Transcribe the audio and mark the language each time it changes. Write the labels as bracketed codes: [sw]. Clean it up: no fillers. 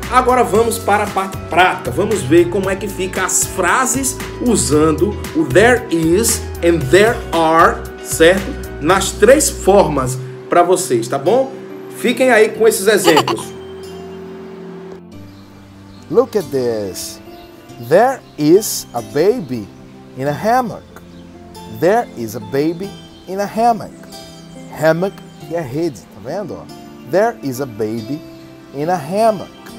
[pt] Agora vamos para a parte prática. Vamos ver como é que fica as frases usando o [en] there is and there are, [pt] certo? Nas três formas para vocês, tá bom? Fiquem aí com esses exemplos. [en] Look at this. There is a baby in a hammock. There is a baby in a hammock. [pt] Hammock é a rede, tá vendo? [en] There is a baby in a hammock.